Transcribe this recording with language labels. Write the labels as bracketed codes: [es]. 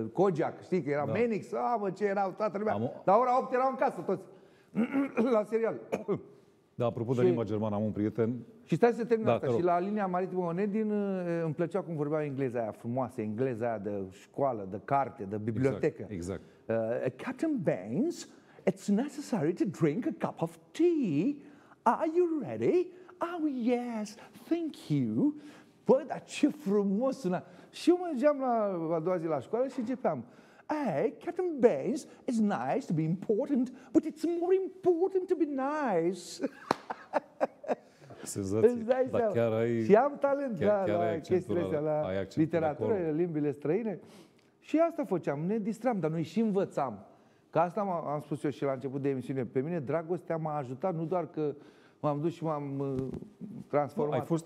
[ro] Kojak, știi că era da. Menix, mă, ce era toată lumea. La ora 8 erau în casă toți, la serial. Da, apropo de limba germană, am un prieten... Și stai să termin asta. Și la linia maritimă Onedin îmi plăcea cum vorbeau engleza aia frumoasă, engleza aia de școală, de carte, de bibliotecă. Exact. [en] Captain Baines, it's necessary to drink a cup of tea. Are you ready? Oh, yes, thank you. [ro] Bă, dar ce frumos sună. Și eu mergeam la doua zi la școală și începeam. [en] Hey, Captain Baines, it's nice to be important, but it's more important to be nice. [ro] Senzație. Chiar ai, și am talent la chestiile astea, la literatură, acolo. Limbile străine. Și asta făceam, ne distram, dar noi și învățam. Că asta am spus eu și la început de emisiune. Pe mine dragostea m-a ajutat, nu doar că m-am dus și m-am transformat.